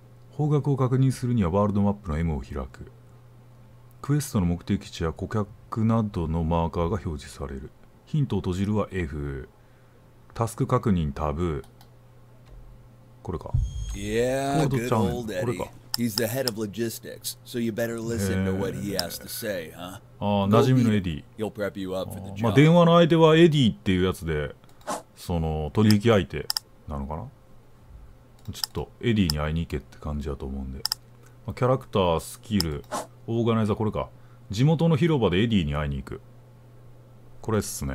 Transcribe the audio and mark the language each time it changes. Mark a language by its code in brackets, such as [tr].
[ja] 方角を確認するにはワールドマップの M を開く。クエストの目的地や顧客などのマーカーが表示される。ヒントを閉じるは F。タスク確認タブ。これか。 Yeah, コードちゃん、これか。 [en] He's the head of logistics, so you better listen to what he has to say, huh? [ja] ああ、馴染みのエディ。 [en] He'll prep you up for the job. [ja] まあ、電話の相手はエディっていうやつで、その取引相手なのかな。ちょっとエディに会いに行けって感じだと思うんで。まあ、キャラクター、スキル。オーガナイザー、これか。地元の広場でエディに会いに行く。これっすね。